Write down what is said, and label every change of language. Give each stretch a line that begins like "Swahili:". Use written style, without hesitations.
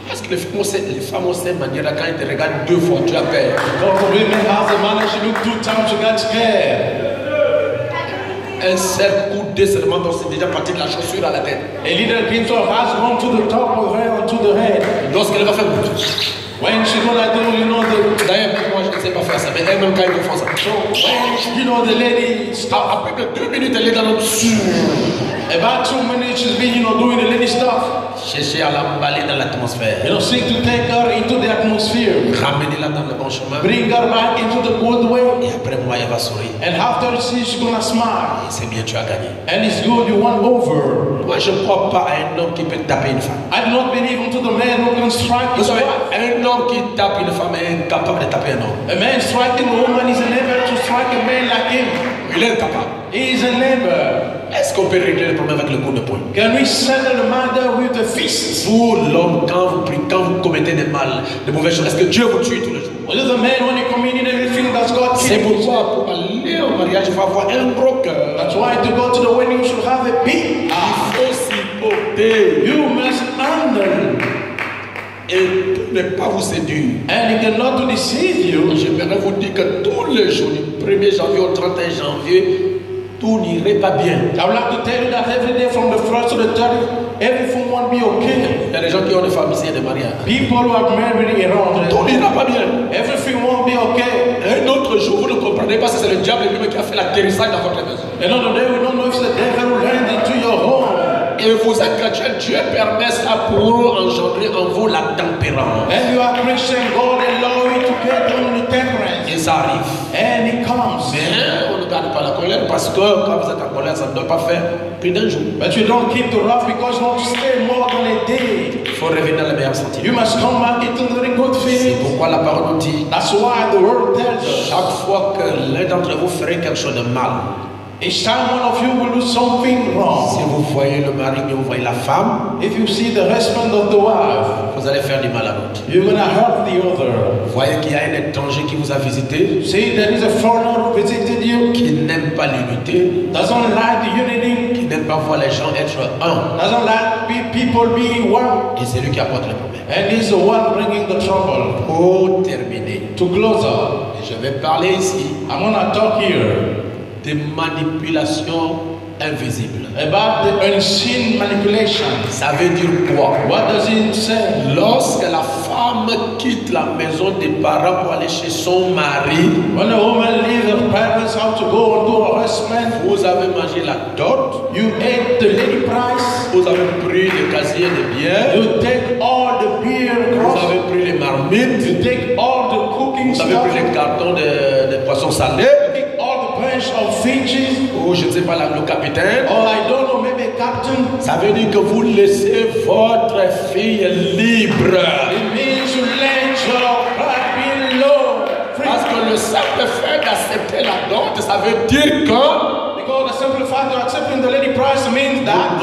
French: Les femmes ont cette manière quand elles te regardent deux fois, tu as peur.
English: Because the women have a manner, she look two times, she got scared.
French: Un seul coup de serment, donc c'est déjà parti de la chaussure à la tête.
English: A little pin to her has gone to the top of her or to the head.
French: Lorsqu'elle va faire beaucoup.
English: When she gonna do, you know the.
French: D'ailleurs, moi je ne sais pas faire ça, mais elle même quand elle me fait ça.
English: So, when she, you know the lady, stop.
French: Après de deux minutes, elle est dans l'obscur.
English: About 2 minutes, she's been, you know, doing the lady stuff.
French: Chercher à l'emballer dans l'atmosphère.
English: You know, seek to take her into the atmosphere.
French: Ramener-la dans le bon chemin.
English: Bring her back into the good way.
French: Et après moi, elle va sourire.
English: And after she's gonna smile.
French: Et c'est bien, tu as gagné.
English: And it's good, you won over.
French: Moi, je ne crois pas à un homme qui peut taper une femme.
English: I do not believe into the man who can strike his wife.
French: Un homme qui tape une femme est incapable de taper un homme.
English: A man striking a woman is unable to strike a man like him.
French: Il est incapable.
English: He is unable.
French: Est-ce qu'on peut régler le problème avec le coup de poing?
English: Can we settle the matter with the fist?
French: Pour l'homme, quand vous priez, quand vous commettez des mal, des mauvaises choses, est-ce que Dieu vous tue tous les jours?
English: What is the man when he commits everything that God sees?
French: C'est pourquoi pour aller au mariage, il faut avoir un broker.
English: That's why to go to the wedding, you should have a pin.
French: Ah. Il faut s'y porter.
English: You must honor.
French: Et ne pas vous séduire.
English: And he cannot deceive you.
French: Et j'aimerais vous dire que tous les jours, du 1er janvier au 31 janvier, tout n'irait pas bien.
English: I would like to tell you that every day from the first to the third, everything won't be okay.
French: Il y a des gens qui ont des familles et des mariages.
English: People who are married around.
French: Tout n'ira pas bien.
English: Everything won't be okay.
French: Un autre jour, vous ne comprenez pas si c'est le diable lui-même qui a fait l'atterrissage dans votre maison.
English: Another day, we don't know if the devil landed into your home.
French: Et vous êtes chrétien, Dieu permet ça pour engendrer en vous la tempérance.
English: And you are Christian, God allow you to get on the temperance.
French: Et ça arrive.
English: And it comes.
French: Mais on ne garde pas la colère parce que quand vous êtes en colère, ça ne doit pas faire plus d'un jour.
English: But you don't keep the wrath because you won't stay more than a day.
French: Faut revenir dans le meilleur sentiment.
English: You must come back into the good feeling.
French: C'est pourquoi la parole nous dit.
English: That's why the world tells us.
French: Chaque fois que l'un d'entre vous ferait quelque chose de mal.
English: Each time one of you will do something wrong.
French: Si vous voyez le mari, vous voyez la femme.
English: If you see the husband of the wife,
French: vous allez faire du mal à l'autre.
English: You're gonna hurt the other.
French: Voyez qu'il y a un étranger qui vous a visité.
English: See, there is a foreigner who visited you.
French: Qui n'aime pas l'unité.
English: Doesn't like the unity.
French: Qui n'aime pas voir les gens être un.
English: Doesn't like people being one.
French: Et c'est lui qui apporte le problème.
English: And he's the one bringing the trouble.
French: Pour terminer.
English: To close up.
French: Et je vais parler ici.
English: I'm gonna talk here.
French: Des manipulations invisibles.
English: About the unseen manipulation.
French: Ça veut dire quoi?
English: What does it say?
French: Lorsque la femme quitte la maison des parents pour aller chez son mari.
English: When a woman leaves her parents' house to go to her husband.
French: Vous avez mangé la dot.
English: You ate the lady price.
French: Vous avez pris le casier de bière.
English: You take all the beer.
French: Vous avez pris les marmites.
English: You take all the cooking
French: stuff. Vous avez pris les cartons de poissons salés.
English: Of finches,
French: ou je ne sais pas le capitaine.
English: Or I don't know, maybe captain.
French: Ça veut dire que vous laissez votre fille libre.
English: It means you let your heart be low.
French: Parce que le simple fait d'accepter la dot, ça veut dire que.
English: Because the simple fact of accepting the lady price means that.